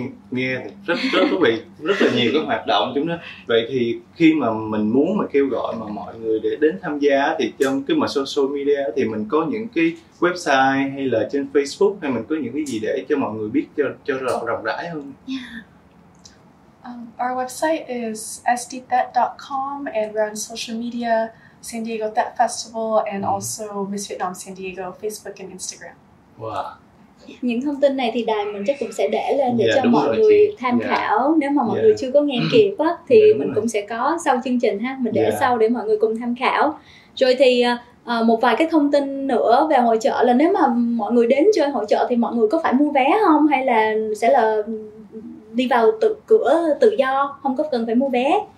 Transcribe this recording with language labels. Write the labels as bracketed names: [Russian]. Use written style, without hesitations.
[Vietnamese] Nghe rất thú vị, rất là nhiều cái hoạt động chúng đó. Vậy thì khi mà mình muốn mà kêu gọi mà mọi người để đến tham gia thì trong cái mà social media thì mình có những cái website hay là trên Facebook hay mình có những cái gì để cho mọi người biết cho rộng rãi hơn? [English] Our website is sdtet.com and we're on social media, San Diego Tet Festival and also Miss Vietnam San Diego Facebook and Instagram. Wow. [Vietnamese] Những thông tin này thì đài mình chắc cũng sẽ để lên để cho mọi người tham khảo. Nếu mà mọi người chưa có nghe kịp á thì mình cũng sẽ có sau chương trình ha, mình để sau để mọi người cùng tham khảo. Rồi thì một vài cái thông tin nữa về hội chợ là nếu mà mọi người đến chơi hội chợ thì mọi người có phải mua vé không hay là sẽ là đi vào tự cửa tự do, không có cần phải mua vé?